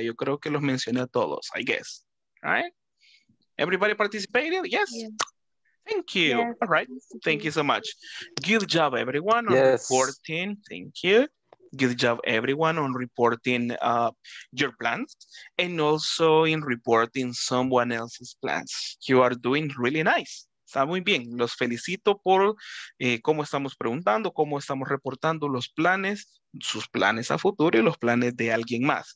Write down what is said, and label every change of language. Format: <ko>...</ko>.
<es>Yo creo que los mencioné a todos,</es> <en>I guess. All right. Everybody participated? Yes. Yes. Thank you. Yes. All right. Thank you so much. Good job, everyone. Yes. 14. Thank you. good job everyone on reporting your plans and also in reporting someone else's plans. You are doing really nice.</en> <es>Está muy bien. Los felicito por cómo estamos preguntando, cómo estamos reportando los planes, sus planes a futuro y los planes de alguien más.</es>